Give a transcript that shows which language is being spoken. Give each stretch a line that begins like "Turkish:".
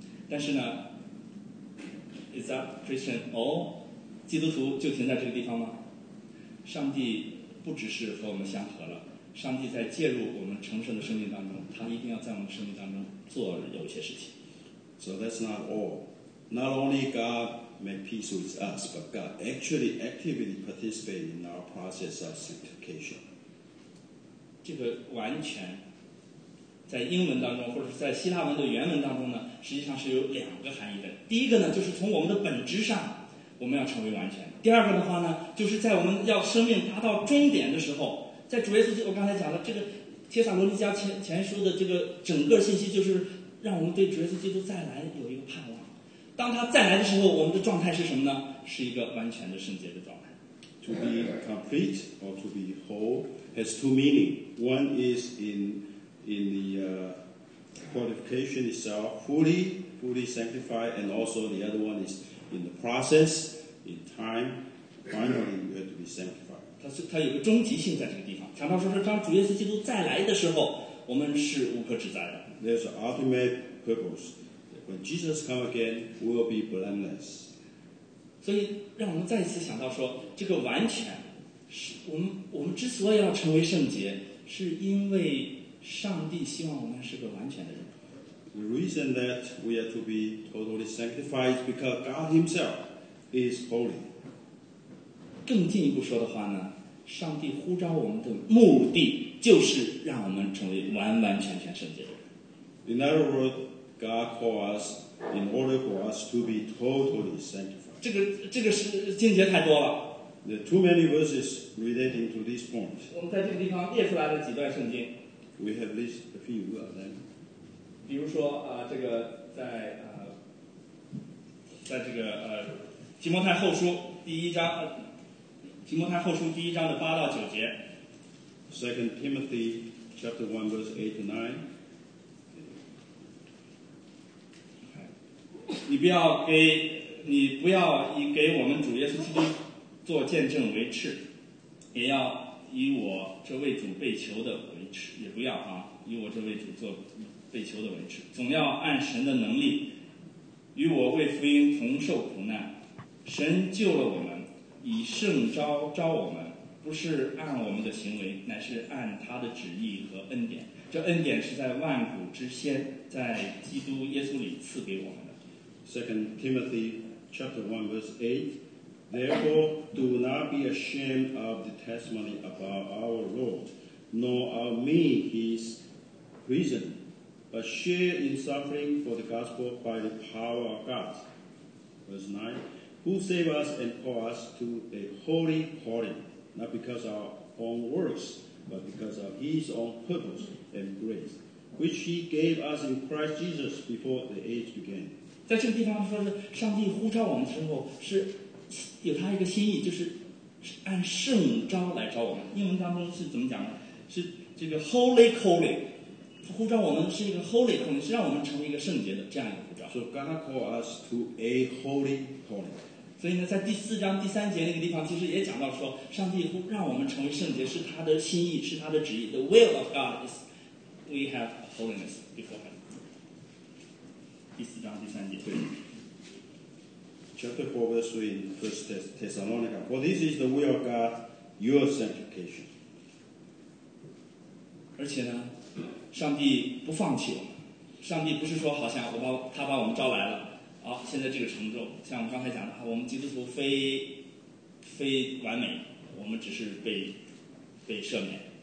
Chinese: 但是呢
English: ，Is that Christian all?
Chinese: 基督徒就停在这个地方吗？上帝不只是和我们相合了，上帝在介入我们成圣的生命当中，他一定要在我们生命当中做有一些事情。
English: So that's not all. Not only God. Make peace with us, but God actually actively participates in our process of sanctification.
Chinese: 这个完全，在英文当中，或者是在希腊文的原文当中呢，实际上是有两个含义的。第一个呢，就是从我们的本质上，我们要成为完全；第二个的话呢，就是在我们要生命达到终点的时候，在主耶稣，我刚才讲了这个帖撒罗尼迦前书的这个整个信息，就是让我们对主耶稣基督再来有一个盼望。当他再来的时候，我们的状态是什么呢？是一个完全的圣洁的状态。
English: To be complete or to be whole has two meaning. One is in the qualification itself, fully sanctified, and also the other one is in the process, in time, finally you have to be sanctified.
Chinese: 它有个终极性在这个地方。强调说，当主耶稣基督再来的时候，我们是无可指摘的。
English: There's an ultimate purpose. When Jesus comes again, we'll be blameless.
Chinese: 所以让我们再一次想到说，这个完全是我们之所以要成为圣洁，是因为上帝希望我们是个完全的人。
English: The reason that we are to be totally sanctified is because God Himself is holy.
Chinese: 更进一步说的话呢，上帝呼召我们的目的就是让我们成为完完全全圣洁的人。
English: In other words,God calls us in order for us to be totally sanctified.
Chinese: 这个是经节太多了。
English: There are too many verses relating to this point.
Chinese: 我们在这个地方列出来了几段圣经。
English: We have list a few of them.
Chinese: 比如说这个在这个提摩太后书第一章，提摩太后书第一章的八到九节。
English: Second Timothy chapter 1 verse 8 to 9.
Chinese: 你不要以给我们主耶稣基督做见证为耻，也要以我这位主被囚的为耻，也不要以我这位主做被囚的为耻，总要按神的能力与我为福音同受苦难。神救了我们，以圣召我们，不是按我们的行为，乃是按他的旨意和恩典。这恩典是在万古之先，在基督耶稣里赐给我们的。
English: Second Timothy chapter 1 verse 8, therefore do not be ashamed of the testimony about our Lord, nor of me his prison, but share in suffering for the gospel by the power of God. Verse 9, who save us and call us to a holy calling, not because of our own works, but because of his own purpose and grace, which he gave us in Christ Jesus before the age began.
Chinese: 在这个地方说是上帝呼召我们的时候是有他一个心意，就是按圣召来召我们。英文当中是怎么讲的？是这个 holy calling， 他呼召我们是一个 holy calling， 是让我们成为一个圣洁的这样一个呼召。
English: So God called us to a holy calling。
Chinese: 所以呢，在第四章第三节那个地方，其实也讲到说，上帝呼让我们成为圣洁，是他的心意，是他的旨意。
English: The will of God is we have holiness before Him。
Chinese: 第四章第三节。
English: Chapter 4, verse 3 in 1 Thessalonica. For this is the will of God, your sanctification.
Chinese: 而且呢，上帝不放弃我们。上帝不是说好像他把我们招来了，现在这个程度，像我刚才讲的，我们基督徒非完美，我们只是被赦免。